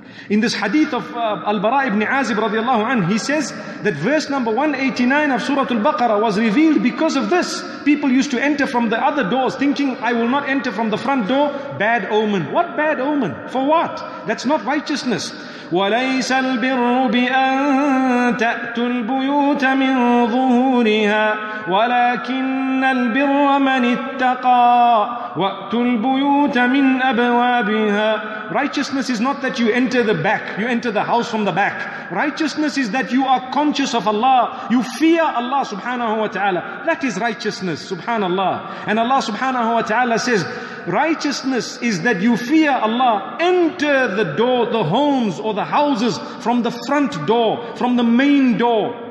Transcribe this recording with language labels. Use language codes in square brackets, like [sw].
[en] In this hadith of Al-Bara ibn Azib radiallahu anhu, he says that verse number 189 of Surah Al-Baqarah was revealed because of this. People used to enter from the other doors thinking, I will not enter from the front door. Bad omen. What bad omen? For what? That's not righteousness. [ar] وليس البر بأن تأتوا البيوت من ظهورها ولكن البر من اتقى وأتوا البيوت من أبوابها. [en] Righteousness is not that you enter the back, you enter the house from the back. Righteousness is that you are conscious of Allah, you fear Allah subhanahu wa ta'ala. That is righteousness, subhanallah. And Allah subhanahu wa ta'ala says, righteousness is that you fear Allah, enter the door, the homes or the houses from the front door, from the main door.